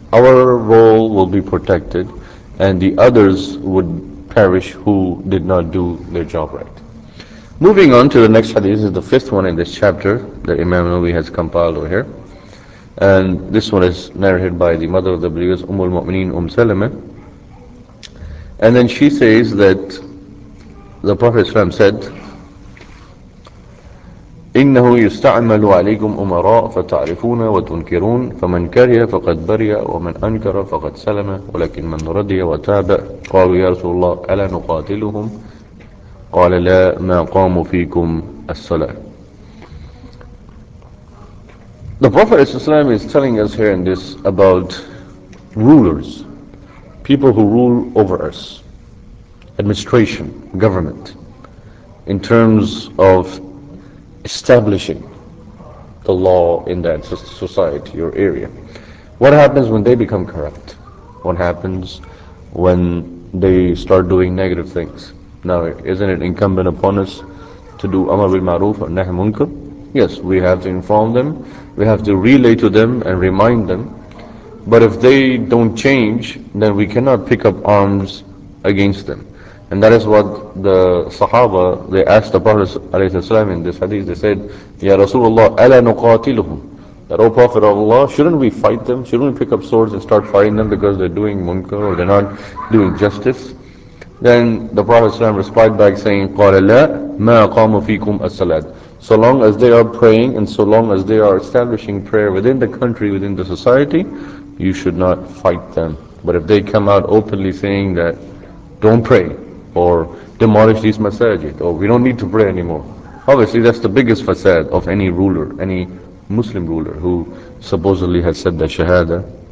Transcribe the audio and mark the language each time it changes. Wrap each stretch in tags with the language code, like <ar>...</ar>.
<en>Our role will be protected, and the others would perish who did not do their job right. Moving on to the next hadith, this is the fifth one in this chapter that Imam Nawawi has compiled over here. And this one is narrated by the mother of the believers, Ummul Mu'mineen, Salama. And then she says that the Prophet ﷺ said,</en> <ar>إِنَّهُ يُسْتَعْمَلُ عَلَيْكُمْ أُمَرَاءَ فَتَعْرِفُونَ وَتُنْكِرُونَ فَمَنْ كَرِهَ فَقَدْ بَرِيَ وَمَنْ أَنْكَرَ فَقَدْ سَلَمَ وَلَكِنْ مَنْ رَضِيَ وَتَابَ قَالُوا يَا رَسُولَ اللَّهِ أَلَا نُقَاتِلُهُمْ قَالَ لَا مَا قَامُوا فِيكُمْ الصَّلَاةِ.</ar> <en>The Prophet ﷺ is telling us here in this about rulers, people who rule over us, administration, government, in terms of establishing the law in that society or area. What happens when they become corrupt? What happens when they start doing negative things? Now, isn't it incumbent upon us to do Amar bil Ma'ruf and Nahy Munkar? Yes, we have to inform them, we have to relay to them and remind them. But if they don't change, then we cannot pick up arms against them. And that is what the Sahaba, they asked the Prophet ﷺ in this hadith. They said,</en> <ar>Ya Rasulullah, ala nuqatiluhum.</ar> <en>That, O Prophet of Allah, shouldn't we fight them? Shouldn't we pick up swords and start fighting them because they're doing munkar or they're not doing justice? Then the Prophet ﷺ replied back saying,</en> <ar>قَالَ لَا مَا قَامُ فِيكُمْ السَّلَاةِ.</ar> <en>So long as they are praying and so long as they are establishing prayer within the country, within the society, you should not fight them. But if they come out openly saying that, don't pray, or demolish these masajid, or we don't need to pray anymore. Obviously that's the biggest facade of any ruler, any Muslim ruler who supposedly has said the shahada.</en>